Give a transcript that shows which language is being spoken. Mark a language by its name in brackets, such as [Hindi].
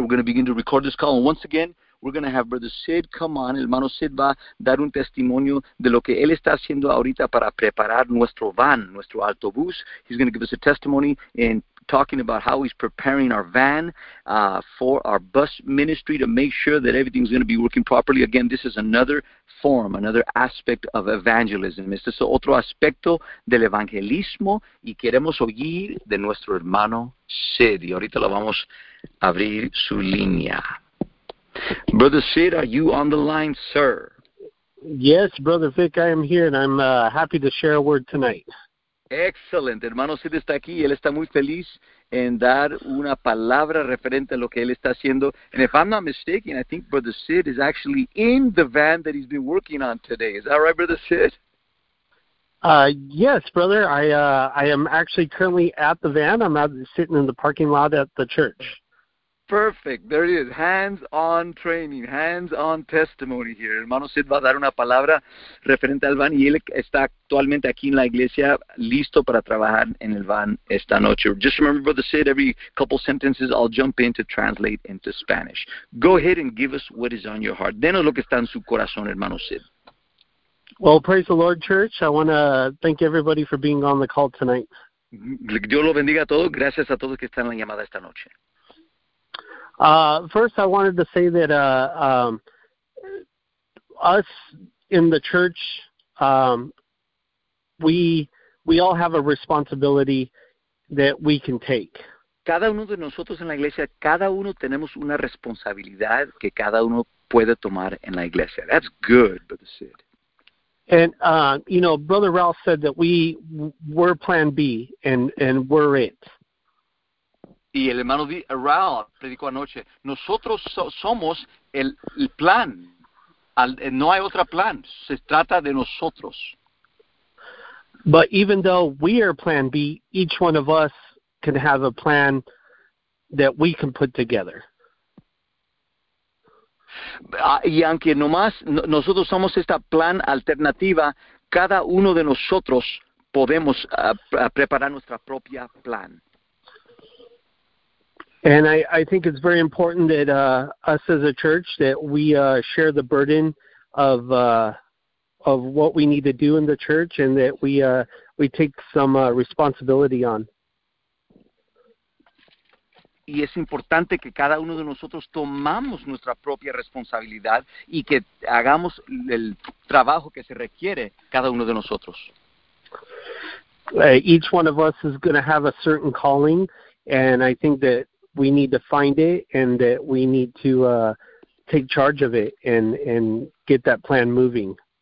[English] We're going to begin to record this call. And once again, we're going to have Brother Sid come on. [Spanish] El hermano Sid va a dar un testimonio de lo que él está haciendo ahorita para preparar nuestro van, nuestro autobús. [English] He's going to give us a testimony in talking about how he's preparing our van for our bus ministry to make sure that everything's going to be working properly. Again, this is another form, another aspect of evangelism. [Spanish] Este es otro aspecto del evangelismo y queremos oír de nuestro hermano Sid. Y ahorita lo vamos a abrir su línea. [English] Brother Sid, are you on the line, sir? Yes, Brother Vic, I am here, and I'm happy to share a word tonight. [Spanish] Excelente. Hermano Sid está aquí, él está muy feliz en dar una palabra referente a lo que él está haciendo. [English] And if I'm not mistaken, I think Brother Sid is actually in the van that he's been working on today. Is that right, Brother Sid? Yes, brother. I am actually currently at the van. I'm out sitting in the parking lot at the church. Perfect. There it is. Hands-on training, hands-on testimony here. [Spanish] Hermano Sid va a dar una palabra referente al van y él está actualmente aquí en la iglesia listo para trabajar en el van esta noche. [English] Just remember, Brother Sid, every couple sentences I'll jump in to translate into Spanish. Go ahead and give us what is on your heart. [Spanish] Denos lo que está en su corazón, hermano Sid. [English] Well, praise the Lord, church. I want to thank everybody for being on the call tonight. [Spanish] Dios lo bendiga a todos. Gracias a todos que están en la llamada esta noche. [English] First, I wanted to say that us in the church, we all have a responsibility that we can take. [Spanish] Cada uno de nosotros en la iglesia, cada uno tenemos una responsabilidad que cada uno puede tomar en la iglesia. [English] That's good, Brother Sid. And you know, Brother Ralph said that we're Plan B and we're it. [Spanish] Y el hermano Raúl predicó anoche, nosotros somos el plan, no hay otro plan, se trata de nosotros. [English] But even though we are Plan B, each one of us can have a plan that we can put together. [Spanish] Y aunque nomás nosotros somos esta plan alternativa, cada uno de nosotros podemos preparar nuestra propia plan. [English] And I think it's very important that us as a church, that we share the burden of what we need to do in the church and that we take some responsibility on. [Spanish] Y es importante que cada uno de nosotros tomamos nuestra propia responsabilidad y que hagamos el trabajo que se requiere cada uno de nosotros. [English] Each one of us is going to have a certain calling, and I think that we need to find it, and that we need to take charge of it and get that plan moving.